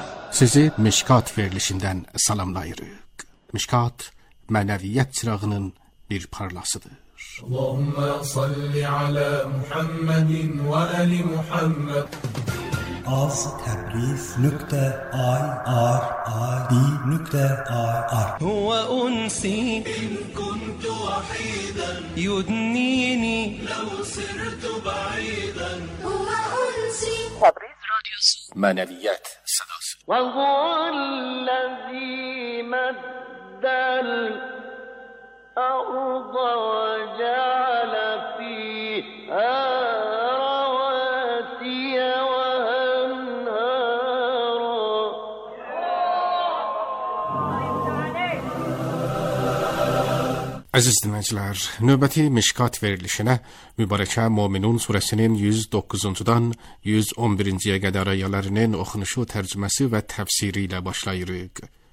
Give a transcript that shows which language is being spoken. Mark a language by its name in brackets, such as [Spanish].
[Azerbaijani] Sizi Mişkat verilişinden selamlayırık. Mişkat, meneviyet çırağının bir parlasıdır. [Arabic] اللهم صل على محمد وآل محمد astabris.irr.ir هو أنسي إن كنت وحيدا يدنيني لو صرت بعيدا هو أنسي [Azerbaijani] تبريز راديوس معنويات صداس [Arabic] وهو الذي مد الأرض وجعل فيها رواسي وأنهارا [Azerbaijani] Aziz dinləyicilər, növbəti Mişkat verilişinə Mübarəkə Möminun surəsinin 109-dan 111-ciyə qədər ayələrinin oxunuşu, tərcüməsi və təfsiri ilə başlayırıq.